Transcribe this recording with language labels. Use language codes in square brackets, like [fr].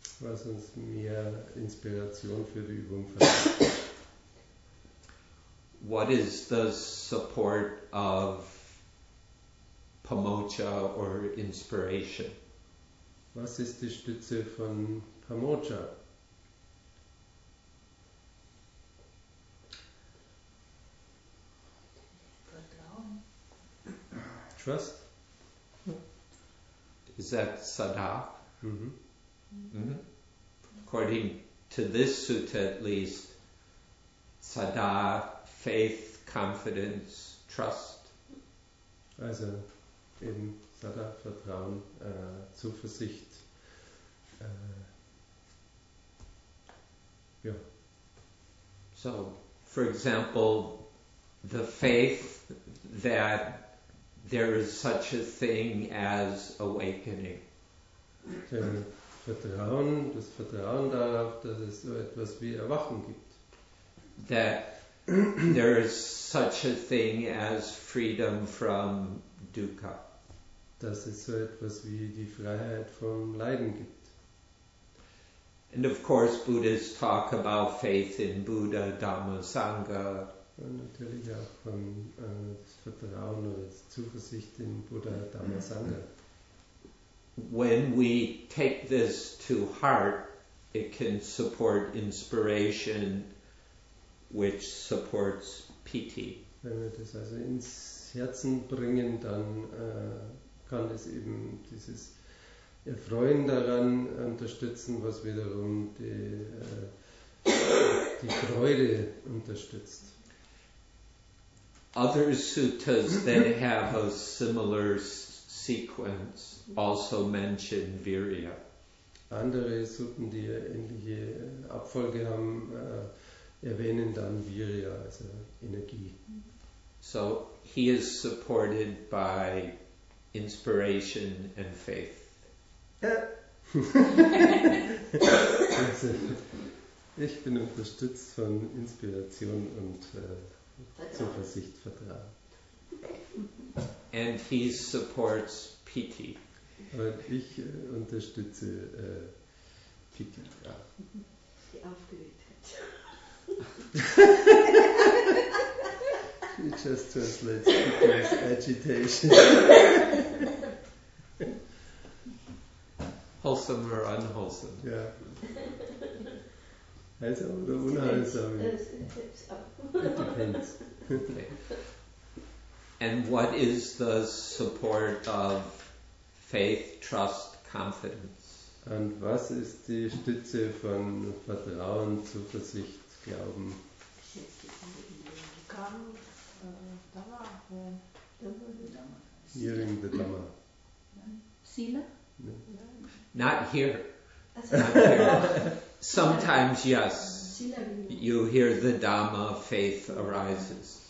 [de] Was uns mehr Inspiration für die Übung verleiht. [en] What is the support of Pamoja or inspiration? [de] Was ist die Stütze von Pamoja? Vertrauen. [en] Trust. Is that sadha? Mm-hmm. Mm-hmm. According to this sutta at least, sadha, faith, confidence, trust. [de] Also eben sadha, Vertrauen, Zuversicht, ja. [en] So, for example, the faith that there is such a thing as awakening. [de] Das Vertrauen darauf, dass es so etwas wie Erwachen gibt. [en] That there is such a thing as freedom from dukkha. [de] Dass es so etwas wie die Freiheit vom Leiden gibt. [en] And of course Buddhists talk about faith in Buddha, Dhamma, Sangha. [de] Und natürlich auch von das Vertrauen oder das Zuversicht in Buddha, Dhamma, Sangha. [en] When we take this to heart, it can support inspiration, which supports piti. [de] Wenn wir das also ins Herzen bringen, dann kann es eben dieses Erfreuen daran unterstützen, was wiederum die Freude unterstützt. [en] Other suttas that have a similar sequence also mention virya. [de] Andere Sutten, die ähnliche Abfolge haben, erwähnen dann virya, also Energie. [en] So he is supported by inspiration and faith. [de] Ja. Also, ich bin unterstützt von Inspiration und Zuversicht, Vertrauen. [en] And he supports piti. [de] Und ich unterstütze piti. Ja. Die Aufgeregtheit. [en] It just translates piti as agitation. Wholesome or unwholesome? [de] Ja. Also oder unheilsam? [en] It depends. And what is the support of faith, trust, confidence? [de] Und was ist die Stütze von Vertrauen, Zuversicht, Glauben? [en] Hearing the Dhamma. [pi] Sila? [en] No. Not here. Sometimes, yes, you hear the Dhamma, faith arises.